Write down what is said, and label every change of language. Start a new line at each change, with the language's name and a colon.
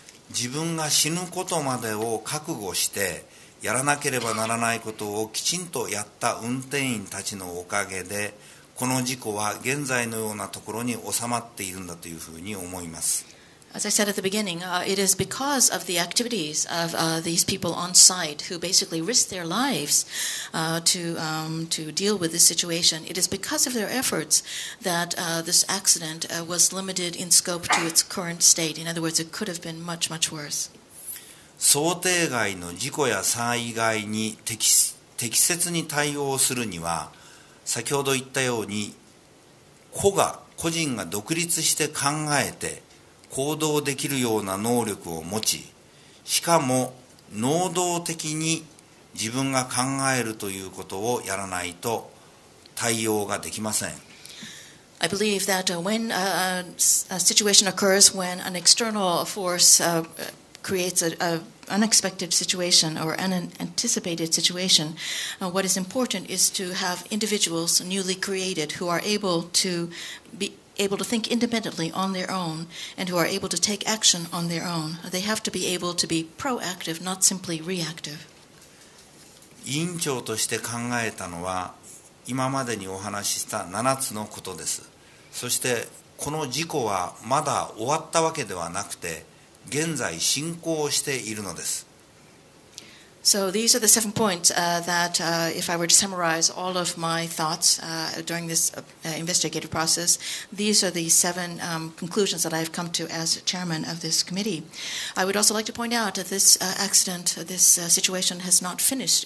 Japanese: 自分が死ぬことまでを覚悟して、やらなければならないことをきちんとやった運転員たちのおかげで、この事故は現在のようなところに収まっているんだというふうに思います。
English: As I said at the beginning, it is because of the activities of these people on site who basically risked their lives to deal with this situation. It is because of their efforts that this accident was limited in scope to its current state. In other words, it could have been much, much worse.
Japanese: 想定外の事故や災害に適切に対応するには、先ほど言ったように、個人が独立して考えて行動できるような能力を持ち、しかも能動的に自分が考えるということをやらないと対応ができません。
English: I believe that when a situation occurs, when an external force creates an unexpected situation or an anticipated situation, what is important is to have individuals newly created who are able to be able to think independently on their own and who are able to take action on their own. They have to be able to be proactive, not simply reactive.
Japanese: 委員長として考えたのは、今までにお話しした7つのことです。そして、この事故はまだ終わったわけではなくて、現在進行しているのです。
English: So these are the seven points that if I were to summarize all of my thoughts during this investigative process, these are the seven conclusions that I have come to as chairman of this committee. I would also like to point out that this accident, this situation has not finished.